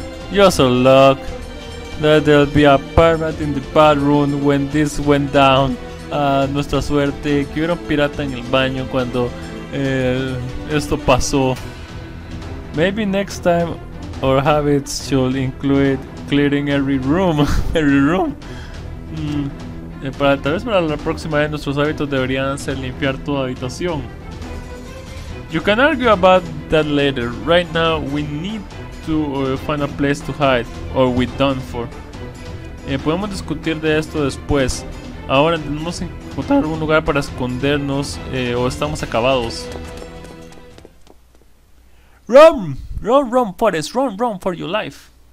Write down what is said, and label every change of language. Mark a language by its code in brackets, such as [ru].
[en] You're so lucky that there'll be a pirate in the bathroom when this went down. [es] Nuestra suerte que hubiera un pirata en el baño cuando esto pasó. [en] Maybe next time our habits should include clearing every room. Every room. [es] Tal vez para la próxima vez nuestros hábitos deberían ser limpiar toda habitación. [en] You can argue about that later. Right now, we need to find a place to hide, or we're done for. [es] Podemos discutir de esto después. Ahora tenemos que encontrar un lugar para escondernos, o estamos acabados. [en] Run, run, run, Forrest, run, run for your life.